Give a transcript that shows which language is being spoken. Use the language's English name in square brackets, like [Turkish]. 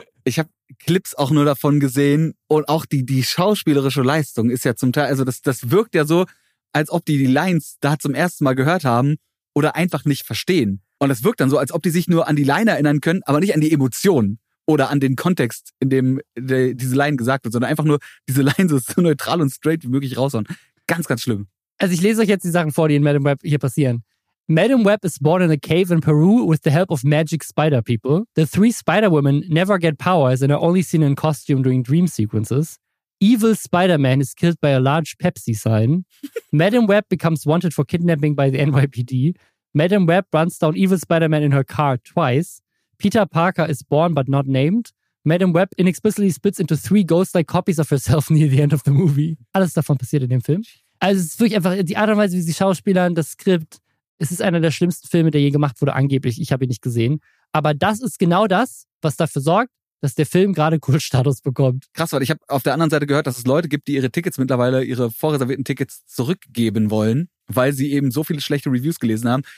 [German] Ich habe Clips auch nur davon gesehen und auch die schauspielerische Leistung ist ja zum Teil, also das wirkt ja so, als ob die Lines da zum ersten Mal gehört haben oder einfach nicht verstehen. Und es wirkt dann so, als ob die sich nur an die Line erinnern können, aber nicht an die Emotionen oder an den Kontext, in dem diese Line gesagt wird, sondern einfach nur diese Line so neutral und straight wie möglich raushauen. Ganz, ganz schlimm. Also ich lese euch jetzt die Sachen vor, die in Madame Web hier passieren. [English] Madame Web is born in a cave in Peru with the help of magic spider people. The 3 spider women never get powers and are only seen in costume during dream sequences. Evil Spider-Man is killed by a large Pepsi sign. Madame Web becomes wanted for kidnapping by the NYPD. Madame Web runs down evil Spider-Man in her car twice. Peter Parker is born but not named. Madame Web inexplicably splits into 3 ghost-like copies of herself near the end of the movie. [German] Alles davon passiert in dem Film. Also es ist wirklich einfach die Art und Weise, wie sie schauspielern, das Skript. Es ist einer der schlimmsten Filme, der je gemacht wurde, angeblich. Ich habe ihn nicht gesehen. Aber das ist genau das, was dafür sorgt, dass der Film gerade Kultstatus bekommt. Krass, weil ich habe auf der anderen Seite gehört, dass es Leute gibt, die ihre Tickets mittlerweile, ihre vorreservierten Tickets zurückgeben wollen, weil sie eben so viele schlechte Reviews gelesen haben.